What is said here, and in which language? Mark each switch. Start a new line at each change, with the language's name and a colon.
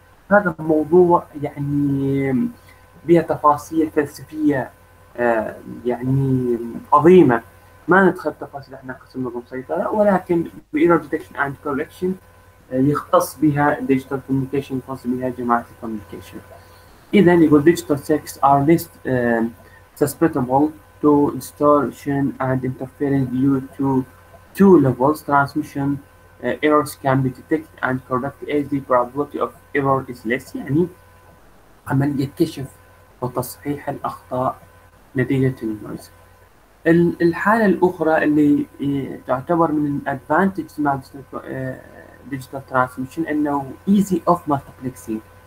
Arabic: هذا موضوع يعني بها تفاصيل فلسفية يعني عظيمة، ما ندخل تفاصيل احنا قسم نظم سيطرة، ولكن Error Detection and Correction يختص بها Digital Communication، يختص بها جماعة Communication.
English: إذا يقول Digital Circuits are least susceptible to distortion and interference due to two levels transmission errors can be detected and corrected as the probability of error is less.
Arabic: يعني عملية كشف وتصحيح الأخطاء نتيجة النويز. الحالة الأخرى اللي تعتبر من advantages مع digital transmission أنه
English: easy of multiplexing.